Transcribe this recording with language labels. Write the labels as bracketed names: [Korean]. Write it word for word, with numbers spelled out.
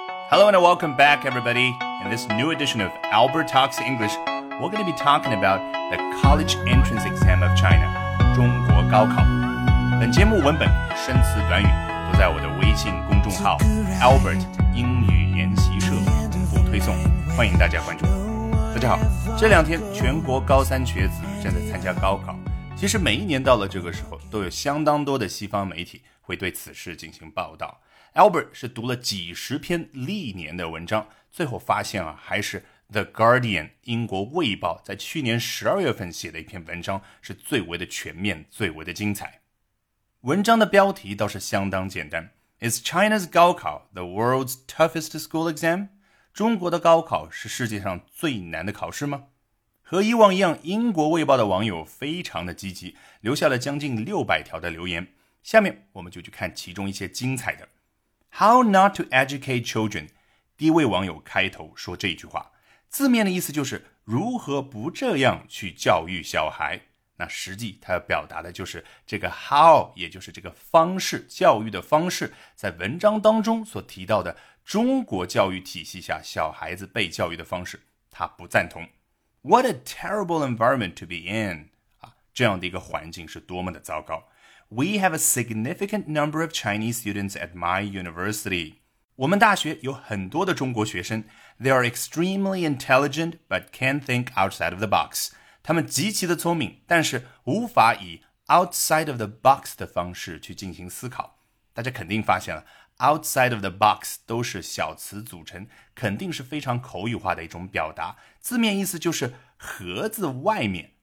[English] Hello and welcome back, everybody. In this new edition of Albert Talks English, we're going to be talking about the College Entrance Exam of China, 中国高考。 [Chinese] 本节目文本、生词短语都在我的微信公众号 Albert 英语研习社不推送，欢迎大家关注。大家好，这两天全国高三学子正在参加高考。其实每一年到了这个时候，都有相当多的西方媒体会对此事进行报道。 Albert 是读了几十篇历年的文章，最后发现啊，还是 The Guardian 英国卫报在去年十二月份写的一篇文章是最为的全面，最为的精彩。 [English] 文章的标题倒是相当简单 Is China's 高考 the world's toughest school exam? [Chinese] 中国的高考是世界上最难的考试吗？和以往一样，英国卫报的网友非常的积极，留下了将近六百条的留言。下面我们就去看其中一些精彩的。 How not to educate children，第一位网友开头说这句话，字面的意思就是如何不这样去教育小孩。那实际他要表达的就是这个 how， 也就是这个方式，教育的方式，在文章当中所提到的中国教育体系下小孩子被教育的方式，他不赞同。 [English] What a terrible environment to be in. [Chinese] 啊，这样的一个环境是多么的糟糕。 [English] We have a significant number of Chinese students at my university. [Chinese] 我们大学有很多的中国学生。 [English] They are extremely intelligent, but can't think outside of the box. [Chinese] 他们极其的聪明，但是无法以 outside of the box 的方式去进行思考。大家肯定发现了 outside of the box 都是小词组成，肯定是非常口语化的一种表达，字面意思就是盒子外面。